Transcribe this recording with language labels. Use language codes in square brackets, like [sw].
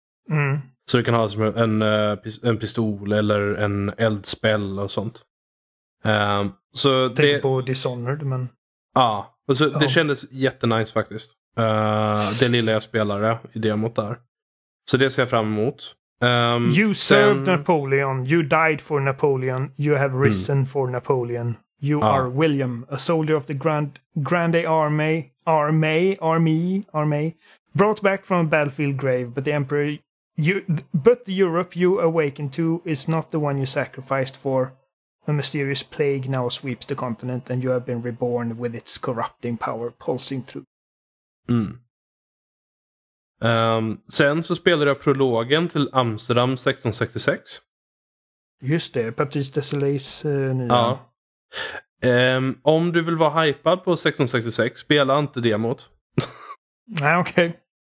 [sv] Mm. Så du kan ha som en pistol eller en eldspell och sånt. Så det på Dishonored, men Så ja, det kändes jättenice faktiskt. Det lilla jag spelade i demot där. Så det ser jag fram emot. [en] You served Napoleon, you died for Napoleon, you have risen for Napoleon. You are William, a soldier of the Grande Army, brought back from a battlefield grave, but the Europe you awakened to is not the one you sacrificed for. A mysterious plague now sweeps the continent, and you have been reborn with its corrupting power pulsing through. Mm. [sv] Sen så spelade jag prologen till Amsterdam 1666. Just det, Patrice Desilets nya. Ja. Om du vill vara hypad på 1666, spela inte demot. Nej, okej. Okay.